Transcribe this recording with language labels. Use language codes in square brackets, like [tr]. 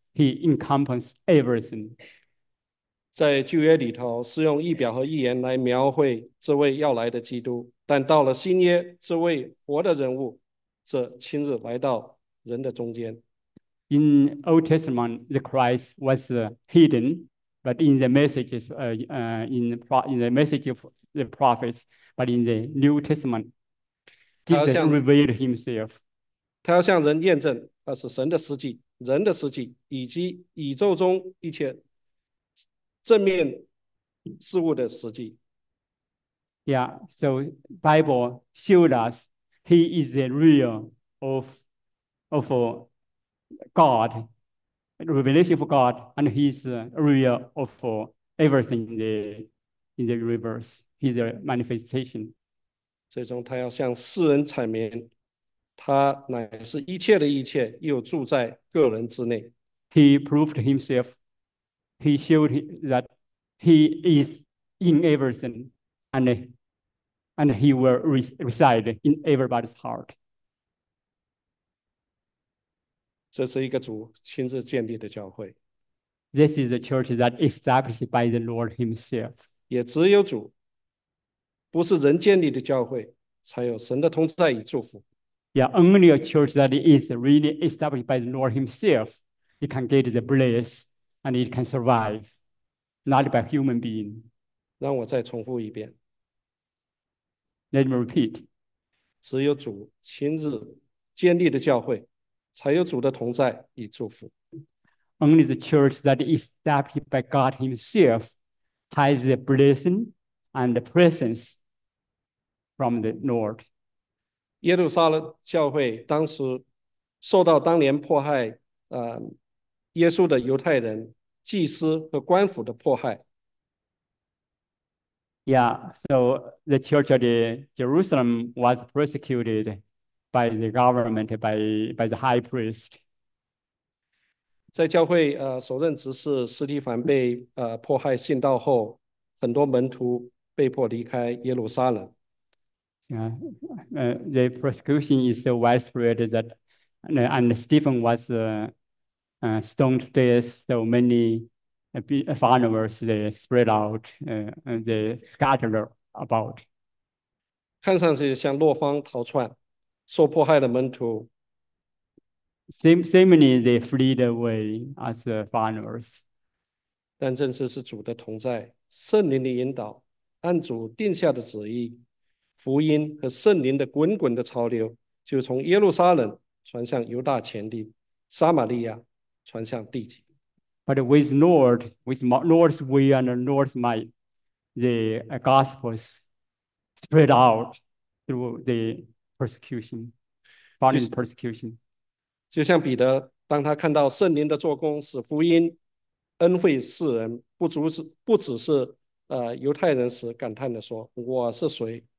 [en] He encompasses everything. [zh] 在旧约里头是用异表和异言来描绘这位要来的基督，但到了新约，这位活的人物，这亲自来到人的中间。 [en] In Old Testament, the Christ was hidden, but in the messages, in the message of the prophets, but in the New Testament, Jesus revealed himself. [zh] 他要向人验证，他是神的实际，人的实际，以及宇宙中一切正面事物的实际。 [en] Yeah, so Bible showed us he is the real of God, revelation for God, and he's real of everything in the universe. He's a manifestation. [zh] 最终他要向世人阐明，他乃是一切的一切，又住在个人之内。 [en] He proved himself. He showed that he is in everything, and he will reside in everybody's heart. [zh] 这是一个主亲自建立的教会。 [en] This is a church that is established by the Lord himself. [zh] 也只有主，不是人建立的教会，才有神的同在与祝福。 [en] Yeah, only a church that is really established by the Lord himself, it can get the bless and it can survive, not by human being. [zh] 让我再重复一遍。 [en] Let me repeat. [zh] 只有主亲自建立的教会，才有主的同在与祝福。 [en] Only the church that is established by God himself has the blessing and the presence from the Lord. [zh] 耶路撒冷教会当时受到当年迫害耶稣的犹太人祭司和官府的迫害。 [en] Yeah, so the church of Jerusalem was persecuted by the government, by the high priest. [zh] 在教会，首任执事斯蒂凡被迫害殉道后，很多门徒被迫离开耶路撒冷。 [en] The persecution is so widespread that and Stephen was stoned to death, so many followers they spread out and they scattered about. [zh] 看上去像落荒逃窜，受迫害的门徒。 [en] Seemingly they fled away as followers. [zh] 但正是主的同在，圣灵的引导，按主定下的旨意，福音和圣灵的滚滚的潮流，就从耶路撒冷传向犹大全地，撒玛利亚传向地极。 [en] But with Lord's way and Lord's might, the gospels spread out through the persecution, following persecution. [zh] 就像彼得，当他看到圣灵的做工，使福音恩惠世人，不只是犹太人时，感叹地说：“我是谁？